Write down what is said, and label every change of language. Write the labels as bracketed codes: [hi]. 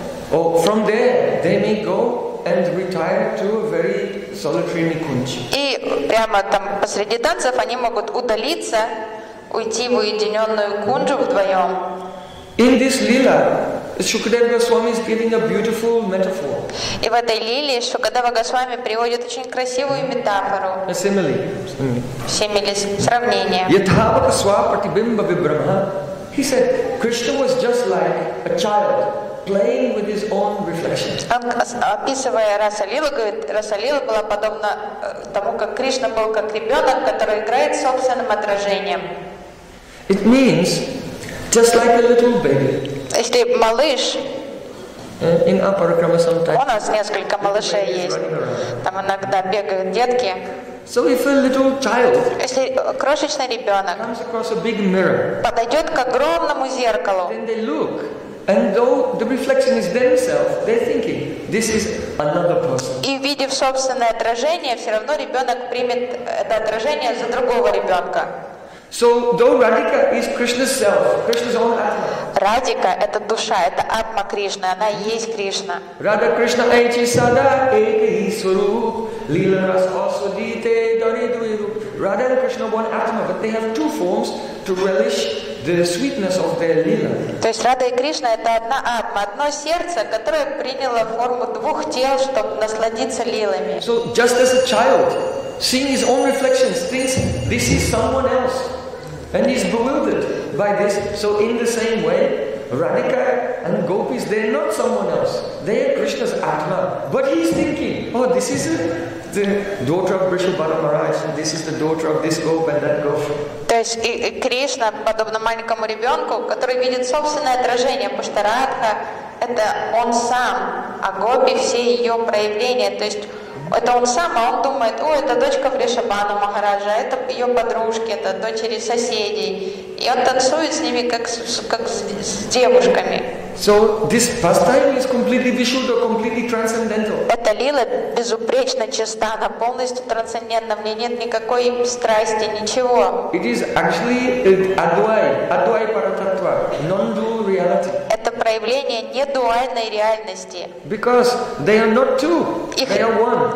[en] From there they may go and retire to a very solitary nikunj. [ru] И прямо там посреди танцев они могут удалиться, уйти в уединенную кунджу вдвоем. [en] In this lila, Shukadeva Goswami is giving a beautiful metaphor. [ru] И в этой лиле Шукадева Госвами приводит очень красивую метафору. [en] A simile. [ru] Simile, сравнение. [sa] Yathavaka sva pratibimba vibrama. [en] He said, Krishna was just like a child playing with his own reflection. [ru] Описывая Расалилу, говорит, Расалила была подобна тому, как Кришна был как ребенок, который играет собственным отражением. [en] It means just like a little baby. [ru] Если малыш, [en] in upper krama sometimes, [ru] у нас несколько малышей есть, там иногда бегают детки. [en] So if a little child, [ru] если крошечный ребенок, [en] comes across a big mirror, [ru] подойдет к огромному зеркалу, [en] then they look. And though the reflection is themselves, they're thinking this is another person. [ru] И видя собственное отражение, все равно ребенок примет это отражение за другого ребенка. [en] So though Radhika is Krishna's self, Krishna's own Atma. [ru] Радика это душа, это Атма Кришна, она есть Кришна. [sa] Radha Krishna eti sada eki swarup lila ras asvadite daridvayu. [en] Radha and Krishna are one Atma, but they have two forms to relish the sweetness of their lila. [ru] То есть Рада и Кришна это одна атма, одно сердце, которое приняло форму двух тел, чтобы насладиться лилами. [en] So just as a child, seeing his own reflections, thinks this is someone else, and he's bewildered by this. So in the same way, Radhika and Gopis, they're not someone else. They are Krishna's atma, but he's thinking, oh, this is a the daughter of Vrishabhana Maharaj, and this is the daughter of this Gop and that Gop. [ru] То есть Кришна подобно маленькому ребенку, который видит собственное отражение, потому что Радха это он сам, а Гопи все ее проявления. То есть это он сам, а он думает, о, это дочка Вришабана Махараджа, это ее подружки, это дочери соседей. И он танцует с ними, как с девушками. [en] So this pastime is completely vishuddha, completely transcendental. [ru] Эта лила безупречно чиста, она полностью трансцендентна. В ней нет никакой страсти, ничего. [en] It is actually advai paratattva, non-dual reality. [ru] Это проявление недуальной реальности. [en] Because they are not two, they are one.